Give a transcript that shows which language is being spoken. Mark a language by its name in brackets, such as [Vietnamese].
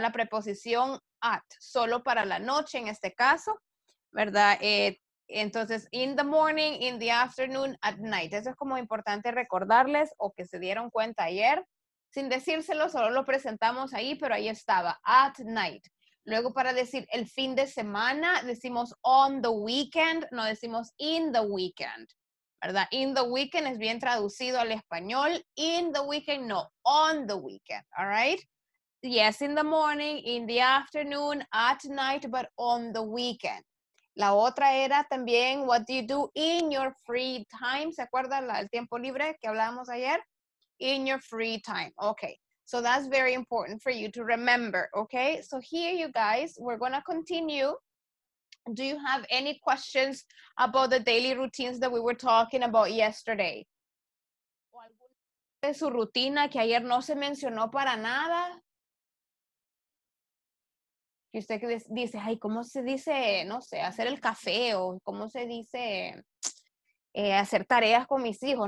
[Spanish] La preposición at, solo para la noche en este caso, ¿verdad? [English] Entonces, in the morning, in the afternoon, at night. [Spanish] Eso es como importante recordarles o que se dieron cuenta ayer. Sin decírselo, solo lo presentamos ahí, pero ahí estaba, [English] at night. [Spanish] Luego para decir el fin de semana, decimos [English] on the weekend, [Spanish] no decimos [English] in the weekend, [Spanish] ¿verdad? [English] In the weekend [Spanish] es bien traducido al español, [English] in the weekend, no, on the weekend, all right? Yes, in the morning, in the afternoon, at night, but on the weekend. [Spanish] La otra era también, [English] what do you do in your free time? [Spanish] ¿Se acuerdan del tiempo libre que hablábamos ayer? [English] In your free time, okay. So that's very important for you to remember, okay? So here, you guys, we're going to continue. Do you have any questions about the daily routines that we were talking about yesterday? [Spanish] ¿O alguna de su rutina que ayer no se mencionó para nada? Y usted dice, ay, ¿cómo se dice, no sé, hacer el café? ¿O cómo se dice hacer tareas con mis hijos?